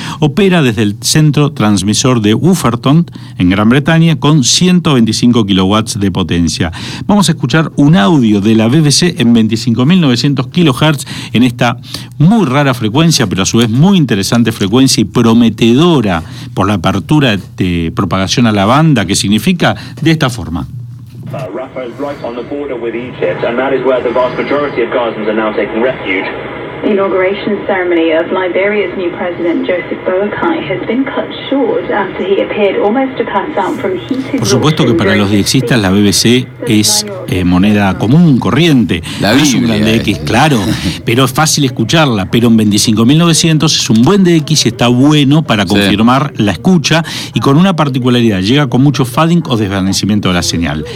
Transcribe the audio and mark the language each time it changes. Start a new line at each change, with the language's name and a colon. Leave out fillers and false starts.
Spanish: Opera desde el centro transmisor de Wolverton en Gran Bretaña con 125 kW de potencia. Vamos a escuchar un audio de la BBC en 25.900 kHz en esta muy rara frecuencia, pero a su vez muy interesante frecuencia y prometedora por la apertura de propagación a la banda, que significa de esta forma.
English: Rafa is right on the border with Egypt, and that is where the vast majority of Gazans are now taking refuge. The inauguration ceremony of Liberia's new president, Joseph Boakai, has been cut short after he appeared almost to pass out from heat exhaustion.
Spanish: Por supuesto que para los diexistas la BBC es moneda común, corriente. La Biblia, es un gran DX, claro, pero es fácil escucharla. Pero en 25.900 es un buen DX y está bueno para confirmar la escucha. Y con una particularidad, llega con mucho fading o desvanecimiento de la señal.